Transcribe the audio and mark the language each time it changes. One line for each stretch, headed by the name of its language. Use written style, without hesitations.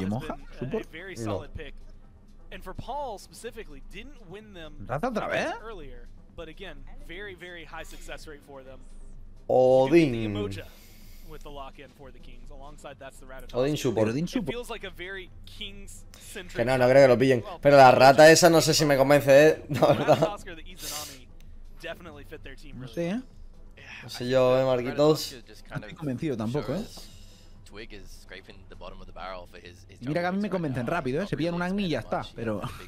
English: been a very solid pick. And for Paul specifically, didn't win them earlier, but again, very, very high success rate for them. Odin. With the lock-in for the Kings, alongside that's the Rat. Odin support. Odin support. It feels like a very Kings centric.
Spanish: Que no creo que lo pillen. Pero la rata esa no sé si me convence, no, ¿verdad?
English: Definitely fit their team
Spanish: really. No sé yo, Marquitos. No estoy convencido tampoco,
English: Twig is scraping the bottom of the barrel for his.
Spanish: Mira que a mí me convencen rápido, Se pillan un Agni y ya está, pero